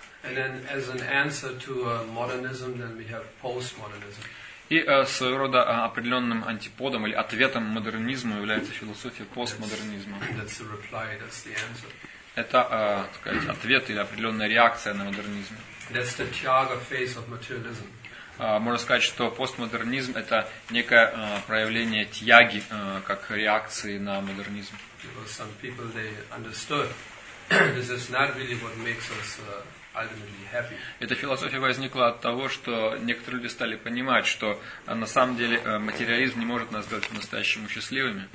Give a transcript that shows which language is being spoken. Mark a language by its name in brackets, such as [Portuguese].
[English] And then as an answer to modernism, then we have postmodernism. [Russian] И своего рода определенным антиподом или ответом модернизму является философия постмодернизма. [English] That's the reply, that's the answer. [Russian] Это, так сказать, ответ или определенная реакция на модернизм. [English] That's the Tiago phase of materialism. [Russian] Можно сказать, что постмодернизм это некое проявление тьяги как реакции на модернизм. [English] Because some people they understood this is not really what makes us ultimately happy. [Russian] Эта философия возникла от того, что некоторые люди стали понимать, что на самом деле материализм не может нас сделать по-настоящему счастливыми.